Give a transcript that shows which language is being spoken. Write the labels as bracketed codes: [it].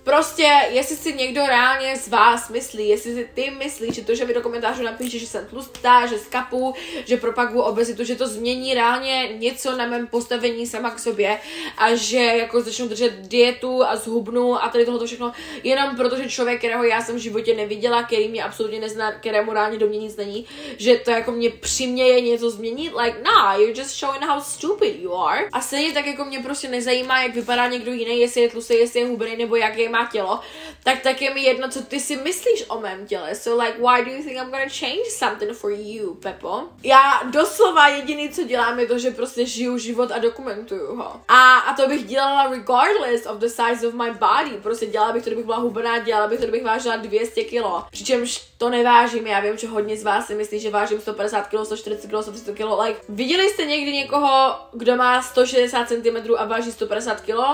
[cs] Prostě, jestli si někdo reálně z vás myslí, jestli si ty myslíš, že to, že mi do komentářů napíše, že jsem tlustá, že skapu, že propaguju obezitu, že to změní reálně něco na mém postavení sama k sobě a že jako začnu držet dietu a zhubnu a tady tohle všechno jenom proto, že člověk, kterého já jsem v životě neviděla, který mě absolutně nezná, kterému reálně do mě nic není, že to jako mě přiměje něco změnit, [en] like, nah, you're just showing how stupid you are. [cs] A stejně tak jako mě prostě nezajímá, jak vypadá někdo jiný, jestli je tlustý, jestli je hubený, nebo jak je má tělo, tak také mi jedno, co ty si myslíš o mém těle. [en] So like, why do you think I'm gonna change something for you, Pepo? [cs] Já doslova jediný, co dělám, je to, že prostě žiju život a dokumentuju ho. A to bych dělala [en] regardless of the size of my body. [cs] Prostě dělala bych to, kdybych byla hubená, dělala bych to, kdybych vážila 200 kilo. Přičemž to nevážím, já vím, že hodně z vás si myslí, že vážím 150 kg, 140 kg, 130 kg, like, viděli jste někdy někoho, kdo má 160 cm a váží 150 kg?